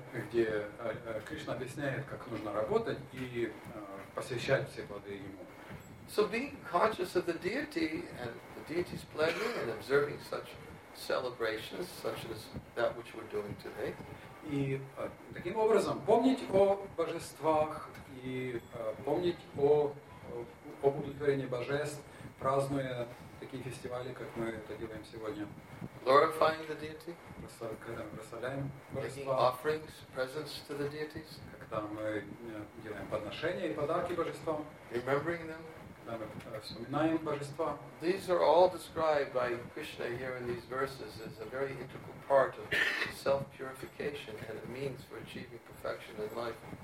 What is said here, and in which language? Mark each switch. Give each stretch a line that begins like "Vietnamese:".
Russian: Где Кришна объясняет, как нужно работать и посвящать все плоды ему.
English: So being conscious of the deity and the deity's pleasure and observing such celebrations, such as that which we're doing today.
Russian: И таким образом помнить о божествах и помнить о удовлетворении божеств, празднуя такие фестивали, как мы это делаем сегодня.
English: Glorifying the deity.
Russian: Когда мы прославляем божества.
English: Making offerings, presents to the deities.
Russian: Когда мы делаем подношения и подарки божествам.
English: Remembering them.
Russian: Когда мы вспоминаем божества.
English: These are all described by Krishna here in these verses as a very integral part of self-purification and a means for achieving perfection in life.